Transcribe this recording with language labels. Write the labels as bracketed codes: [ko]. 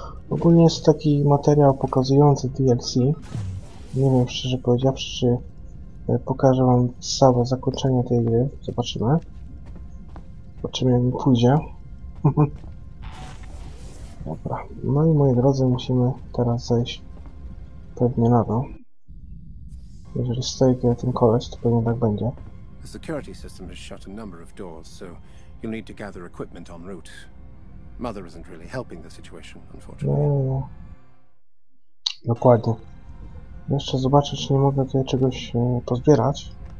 [pl] Ogólnie jest taki materiał pokazujący DLC. Nie wiem, szczerze powiedziawszy, czy pokażę wam całe zakończenie tej gry. Zobaczymy. Zobaczymy, jak mi pójdzie. Dobra. No i moi drodzy, musimy teraz zejść pewnie na dół. Jeżeli stoi tutaj ten koleś, to pewnie tak będzie. [en] The security system has shut a number of doors, so you'll need to gather equipment en route. Mother isn't really helping the situation, unfortunately. [pl] No. Dokładnie. Jeszcze zobaczę, czy nie mogę tutaj czegoś pozbierać.